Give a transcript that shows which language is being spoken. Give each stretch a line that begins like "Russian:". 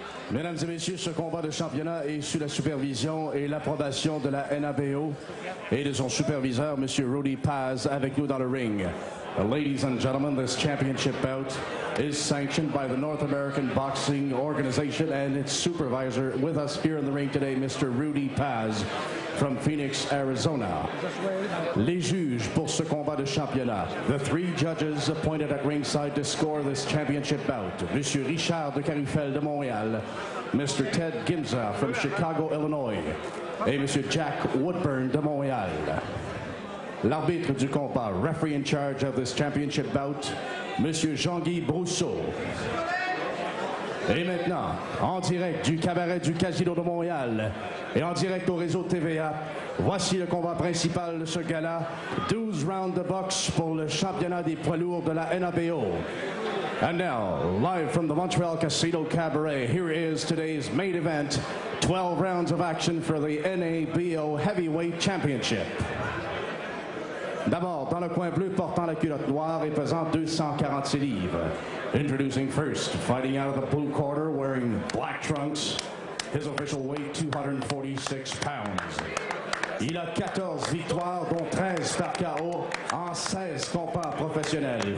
French: Mesdames et messieurs, ce combat de championnat est sous la supervision et l'approbation de la NABO et de son superviseur, M. Rudy Paz, avec nous dans le ring.
English: Ladies and gentlemen, this championship bout is sanctioned by the North American Boxing Organization and its supervisor with us here in the ring today, Mr. Rudy Paz from Phoenix, Arizona.
French: Les juges pour ce combat de championnat.
English: The three judges appointed at ringside to score this championship bout.
French: Monsieur Richard de Carifel de Montréal, Mr. Ted Ginza
English: from Chicago, Illinois,
French: et Monsieur Jack Woodburn de Montréal. L'arbitre du combat,
English: referee in charge of this championship bout,
French: Monsieur Jean-Guy Brousseau. Et maintenant, en direct du cabaret du Casino de Montréal et en direct au réseau TVA, voici le combat principal de ce gala, 12 rounds de boxe pour le championnat des poids lourds de la NABO.
English: And now, live from the Montreal Casino Cabaret, here is today's main event, 12 rounds of action for the NABO Heavyweight Championship.
French: D'abord, dans le coin bleu, portant la culotte noire et pesant 246 livres.
English: Introducing first, fighting out of the blue corner, wearing black trunks, his official weight, 246 pounds.
French: Il a 14 victoires, dont 13 par KO, en 16 combats professionnels.